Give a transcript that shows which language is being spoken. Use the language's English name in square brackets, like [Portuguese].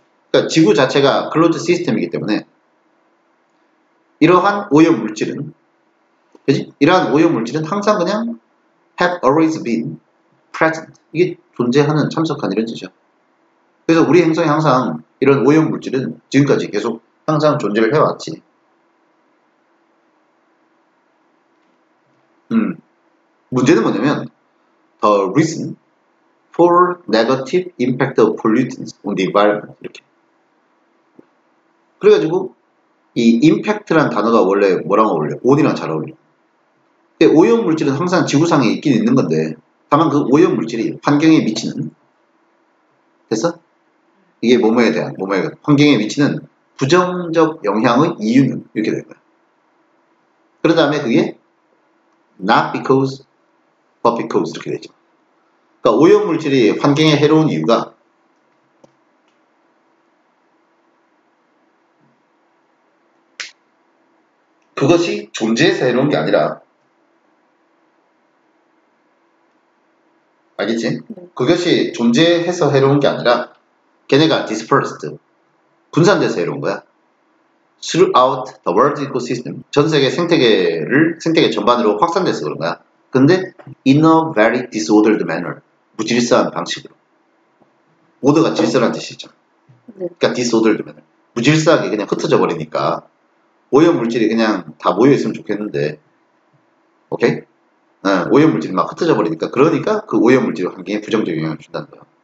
[Korean] 그러니까 지구 자체가 클로즈 시스템이기 때문에, 이러한 오염물질은, 그지? 이러한 오염물질은 항상 그냥 [English] have always been present. [Korean] 이게 존재하는, 참석한 이런 뜻이야. 그래서 우리 행성에 항상 이런 오염물질은 지금까지 계속 항상 존재를 해왔지. 문제는 뭐냐면 [English] the reason for negative impact of pollutants on the environment [Korean] 이렇게. 그래가지고 이 impact란 단어가 원래 뭐랑 어울려? on이랑 잘 어울려. 근데 오염물질은 항상 지구상에 있긴 있는 건데 다만 그 오염물질이 환경에 미치는 됐어? 이게 뭐뭐에 대한 뭐뭐에 대한 환경에 미치는 부정적 영향의 이유는 이렇게 될 거야. 그런 다음에 그게 [English] not because, but because [Korean] 이렇게 되죠. 그러니까 오염물질이 환경에 해로운 이유가 그것이 존재해서 해로운 게 아니라 알겠지? 그것이 존재해서 해로운 게 아니라 걔네가 dispersed, 분산돼서 해로운 거야. [English] Throughout the world ecosystem, [Korean] 전 세계 생태계를 생태계 전반으로 확산돼서 그런 거야. 근데 [English] in a very disordered manner, [Korean] 무질서한 방식으로. Order가 질서란 뜻이죠. 그러니까 [English] disordered manner, [Korean] 무질서하게 그냥 흩어져 버리니까 오염물질이 그냥 다 모여 있으면 좋겠는데, 오케이? 오염물질이 막 흩어져 버리니까 그러니까 그 오염물질이 환경에 부정적 영향을 준다는 거야.